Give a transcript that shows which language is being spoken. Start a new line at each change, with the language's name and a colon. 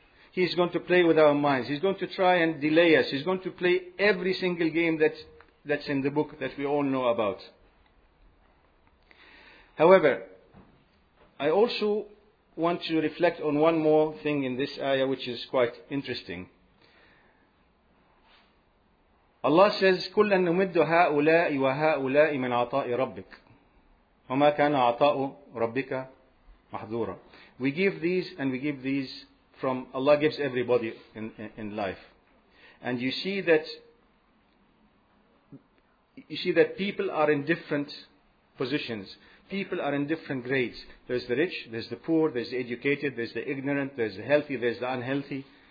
English: He's going to play with our minds. He's going to try and delay us. He's going to play every single game that's in the book that we all know about. However, I also want to reflect on one more thing in this ayah, which is quite interesting. Allah says,
Arabic: كُلَّا نُمِدُّ هَؤُلَاءِ وَهَؤُلَاءِ مِنْ عَطَاءِ رَبِّكَ وَمَا كَانَ عَطَاءُ رَبِّكَ مَحْذُورًا.
English: We give these and we give these from, Allah gives everybody in life. And you see that people are in different positions. People are in different grades. There's the rich, there's the poor, there's the educated, there's the ignorant, there's the healthy, there's the unhealthy.